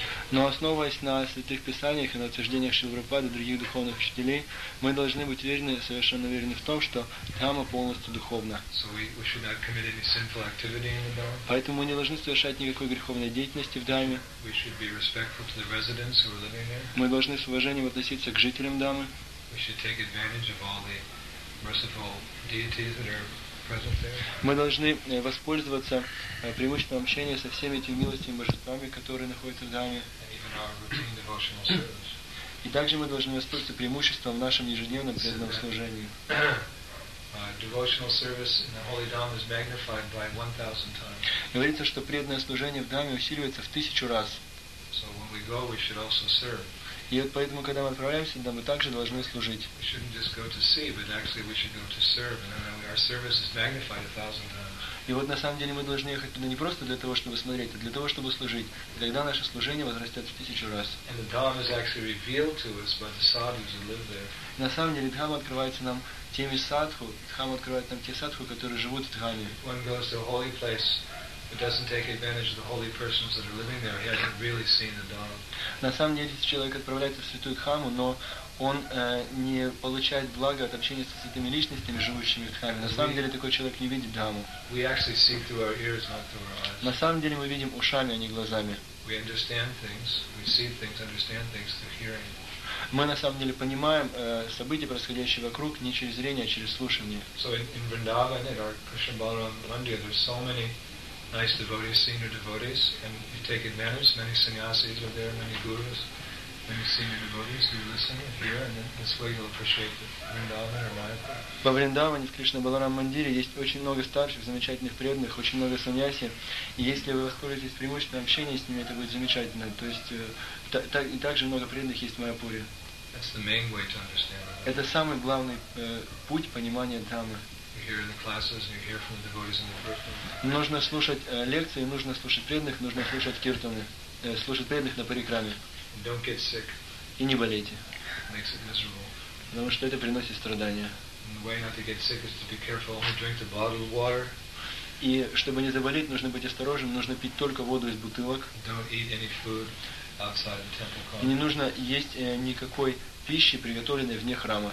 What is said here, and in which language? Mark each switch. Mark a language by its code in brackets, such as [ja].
[ru] Но основываясь на святых писаниях и на утверждениях Шрилы Прабхупады и других духовных учителей, мы должны быть уверены, совершенно уверены в том, что Дхамма полностью духовна. [en] We should not commit any sinful activity in the Dhamma. [ru] Поэтому мы не должны совершать никакой греховной деятельности в Дхамме. [en] We should be respectful to the residents who are living there. [ru] Мы должны с уважением относиться к жителям Дхаммы. [en] We should take advantage of all the merciful deities that are present there. [ru] Мы должны воспользоваться преимуществом общения со всеми этими милостивыми божествами, которые находятся в Дхамме. [en] And even our routine devotional service. [ru] И также мы должны воспользоваться преимуществом в нашем ежедневном преданном служении. [en] Devotional service in the holy Dham is magnified by 1,000 times. [ru] Говорится, что преданное служение в Дхамме усиливается в 1000 раз. [en] So when we go, we should also serve. [ru] И вот поэтому, когда мы отправляемся, да, мы также должны служить. [en] We shouldn't just go to see, but actually we should go to serve, and then our service is magnified 1,000 times. [ru] И вот на самом деле мы должны ехать туда не просто для того, чтобы смотреть, а для того, чтобы служить. И тогда наше служение возрастет в 1000 раз. [en] And the Dham is actually revealed to us by the sadhus who live there. [ru] На самом деле Дхамма открывается нам теми садху, Дхамма открывает нам те садху, которые живут в Дхамме. [en] One goes to a holy place, but doesn't take advantage of the holy persons that are living there. He hasn't really seen the Dham. [ru] На самом деле, если человек отправляется в святую Дхамму, но он не получает блага от общения со святыми личностями, живущими в Дхамме. На самом деле такой человек не видит Дхамму. [en] We actually see through our ears, not through our eyes. [ru] На самом деле мы видим ушами, а не глазами. [en] We understand things, we see things, understand things through hearing. [ru] Мы на самом деле понимаем события, происходящие вокруг, не через зрение, а через слушание. [en] So in Vrindavan, at our Krishna Balaram Mandir, there's so many nice devotees, senior devotees, and you take advantage. Many sannyasis are there, many gurus, many senior devotees. You listen, you hear, and that's why you'll appreciate the Vrindavan or Mayapur. [ru] Во Вриндаване, в Кришна Баларам Мандире, есть очень много старших, замечательных преданных, очень много саньяси. И если вы воспользуетесь преимуществом общения с ними, это будет замечательно. То есть, и также много преданных есть в Майапуре. [en] That's the main way to understand it. [ru] Это самый главный путь понимания Дхаммы. [en] Hear the classes and you hear from the devotees in the parikrama. [ru] Нужно слушать лекции, нужно слушать преданных, нужно слушать киртаны, слушать преданных на парикраме. [en] And don't get sick. [ru] И не болейте. [en] Makes it miserable. [ru] Потому что это приносит страдания. [en] And the way not to get sick is to be careful, only drink the bottled water. [ru] И чтобы не заболеть, нужно быть осторожным, нужно пить только воду из бутылок. [en] Don't eat any food outside the temple complex. [ru] И не нужно есть никакой пищи, приготовленной вне храма.